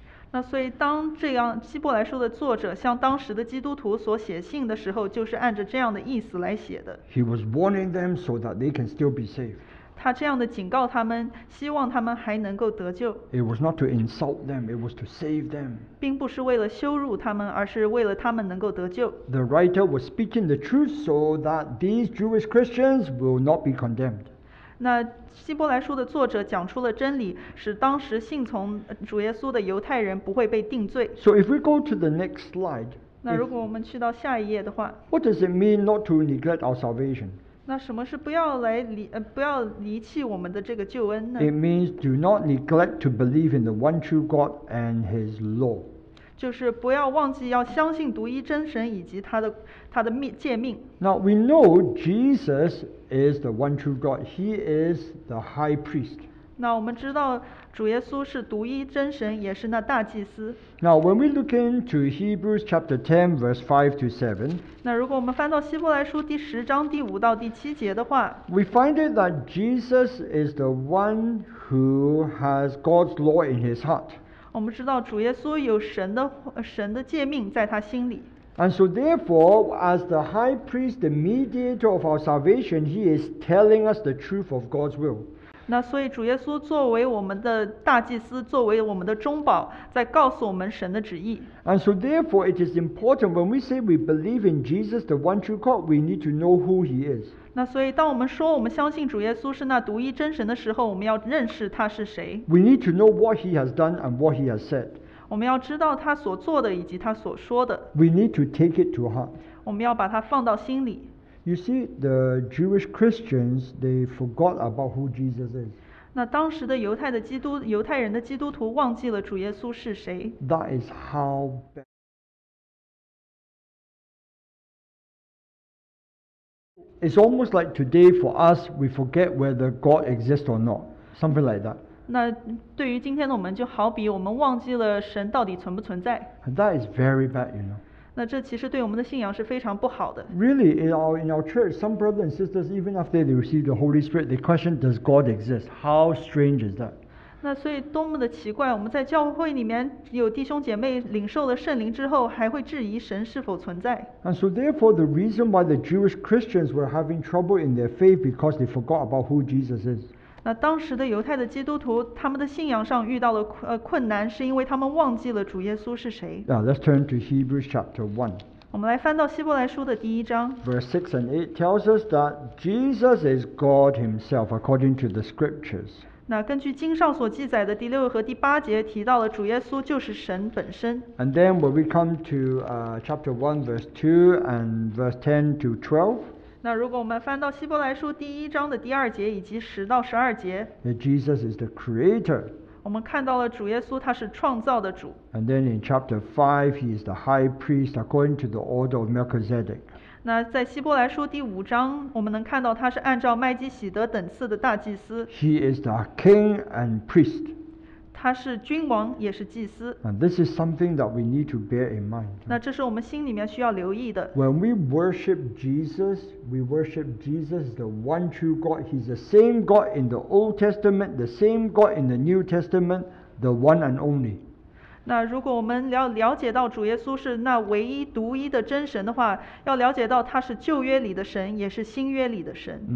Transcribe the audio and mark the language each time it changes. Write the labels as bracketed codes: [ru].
[zh] 那所以当这样希伯来书的作者向当时的基督徒所写信的时候，就是按着这样的意思来写的。 [en] He was warning them so that they can still be saved. [zh] 他这样的警告他们，希望他们还能够得救。 [en] It was not to insult them, it was to save them. [zh] 并不是为了羞辱他们，而是为了他们能够得救。 [en] The writer was speaking the truth so that these Jewish Christians will not be condemned. [zh] 那希伯来书的作者讲出了真理，使当时信从主耶稣的犹太人不会被定罪。 [en] So if we go to the next slide, [zh] 那如果我们去到下一页的话， [en] What does it mean not to neglect our salvation? [zh] 那什么是不要离弃我们的这个救恩呢？ [en] It means do not neglect to believe in the one true God and His law. [zh] 就是不要忘记要相信独一真神以及他的诫命。 [en] Now we know Jesus is the one true God. He is the high priest. [zh] 那我们知道主耶稣是独一真神，也是那大祭司。 [en] Now when we look into Hebrews chapter 10, verse 5 to 7, [zh] 那如果我们翻到希伯来书第十章第五到第七节的话， [en] we find it that Jesus is the one who has God's law in his heart. [zh] 我们知道主耶稣有神的诫命在他心里。 [en] And so therefore, as the high priest, the mediator of our salvation, he is telling us the truth of God's will. [zh] 那所以主耶稣作为我们的大祭司，作为我们的中保，在告诉我们神的旨意。 [en] And so therefore, it is important when we say we believe in Jesus, the one true God, we need to know who he is. [zh] 那所以当我们说我们相信主耶稣是那独一真神的时候，我们要认识他是谁。 [en] We need to know what he has done and what he has said. [zh] 我们要知道他所做的以及他所说的。 [en] We need to take it to heart. [zh] 我们要把它放到心里。 [en] You see, the Jewish Christians, they forgot about who Jesus is. [zh] 那当时的犹太人的基督徒忘记了主耶稣是谁。 [en] That is how bad. It's almost like today for us, we forget whether God exists or not. Something like that. [zh] 那对于今天的我们，就好比我们忘记了神到底存不存在。 [en] That is very bad, you know. [zh] 那这其实对我们的信仰是非常不好的。 [en] Really, in our church, some brothers and sisters, even after they receive the Holy Spirit, they question, does God exist? How strange is that? [zh] 那所以多么的奇怪，我们在教会里面有弟兄姐妹领受了圣灵之后，还会质疑神是否存在。 [en] And so therefore, the reason why the Jewish Christians were having trouble in their faith because they forgot about who Jesus is. [zh] 那当时的犹太的基督徒，他们的信仰上遇到了困难，是因为他们忘记了主耶稣是谁。 [en] Now, let's turn to Hebrews chapter 1. [zh] 我们来翻到希伯来书的第一章。 [en] Verse 6 and 8 tells us that Jesus is God himself according to the scriptures. [zh] 那根据经上所记载的第六和第八节提到了主耶稣就是神本身。 [en] And then when we come to chapter 1 verse 2 and verse 10 to 12, [zh] 那如果我们翻到希伯来书第一章的第二节以及十到十二节， [en] Jesus is the creator. [zh] 我们看到了主耶稣他是创造的主。 [en] And then in chapter 5 he is the high priest according to the order of Melchizedek. [zh] 那在希伯来书第五章，我们能看到他是按照麦基洗德等次的大祭司。 [en] He is the king and priest. [zh] 他是君王也是祭司。 [en] And this is something that we need to bear in mind. [zh] 那这是我们心里面需要留意的。 [en] When we worship JesusWe worship Jesus, the one true God. He's the same God in the Old Testament, the same God in the New Testament, the one and only. [zh] 那如果我们要了解到主耶稣是那唯一独一的真神的话，要了解到他是旧约里的神，也是新约里的神。